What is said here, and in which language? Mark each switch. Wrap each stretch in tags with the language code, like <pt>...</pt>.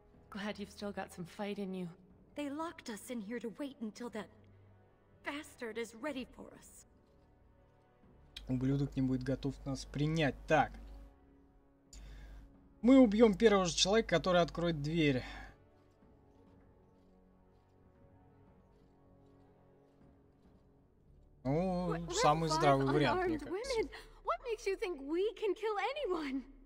<en>Glad you've still got some fight in you. They locked us in here to wait until that bastard is ready for us.</en> <ru>Ублюдок не будет готов нас принять. Так. Мы убьем первого же человека, который откроет дверь. Ну, самый здравый вариант, мне кажется.</ru> <en>What makes you think we can kill anyone?</en>